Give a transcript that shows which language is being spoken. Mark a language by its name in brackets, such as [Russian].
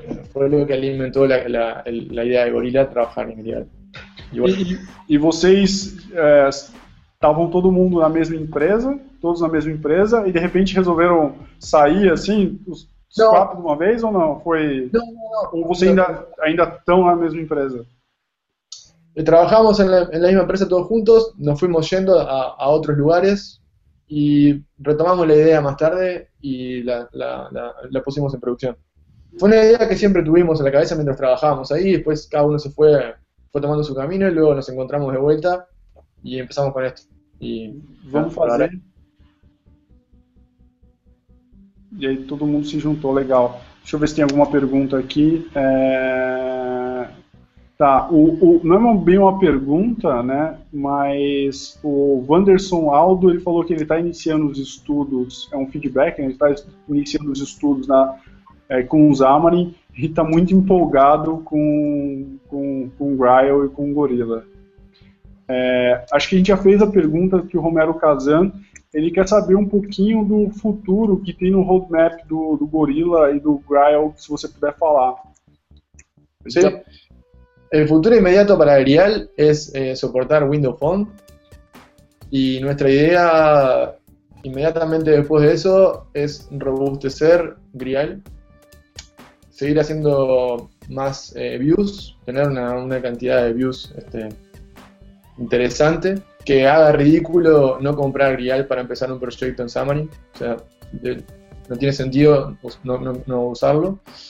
[Spanish] Fue lo que alimentó la idea de Gorilla, trabajar en Grial. [Portuguese] E vocês estavam todo mundo na mesma empresa, todos na mesma empresa, e de repente resolveram sair assim, os quatro de uma vez ou não? Foi... Não, não, não. Ou vocês ainda estão na mesma empresa? Trabalhamos na mesma empresa todos juntos, nos fuimos yendo a outros lugares e retomamos a ideia mais tarde e la pusimos em produção. Foi uma ideia que sempre tivemos na cabeça mientras trabalhábamos aí, e depois cada um se foi. [Spanish] Fue tomando su camino y luego nos encontramos de vuelta y empezamos con esto. Y vamos a hacer. Y ahí todo mundo se juntó, legal. Deixa eu ver si tiene alguna pregunta aquí. Tá, no es bien una pregunta, ¿no? [Portuguese] Mas o Wanderson Aldo, ele falou que ele está iniciando os estudos, é um feedback, ele está iniciando os estudos com o Xamarin. ele tá muito empolgado com o Grile e com o Gorilla. É, acho que a gente já fez a pergunta que o Romero Kazan, ele quer saber um pouquinho do futuro que tem no roadmap do Gorilla e do Grile, se você puder falar. Sim. [Spanish] El futuro inmediato para Arial es soportar Windows Phone y nuestra idea inmediatamente después de eso es robustecer Grial, seguir haciendo más views, tener una cantidad de views interesante, que haga ridículo no comprar Grial para empezar un proyecto en Xamarin, o sea, no tiene sentido no usarlo.